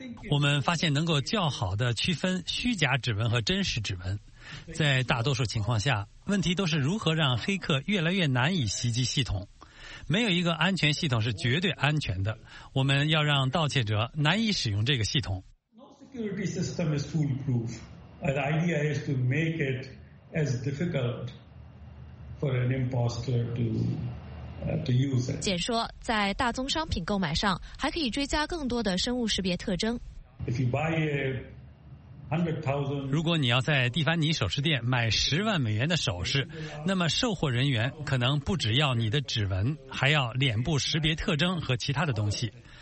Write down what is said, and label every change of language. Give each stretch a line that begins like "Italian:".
Chinese: 我们发现能够较好的区分虚假指纹和真实指纹。在大多数情况下，问题都是如何让黑客越来越难以袭击系统。没有一个安全系统是绝对安全的，我们要让盗窃者难以使用这个系统。
English: No security system is foolproof. The idea is to make it as difficult for an imposter to use it.
Chinese: 简说，在大宗商品购买上还可以追加更多的生物识别特征。
English: If you buy $100,000,
Chinese: 如果你要在蒂凡尼首饰店买$10,000的首饰，那么售货人员可能不只要你的指纹，还要脸部识别特征和其他的东西。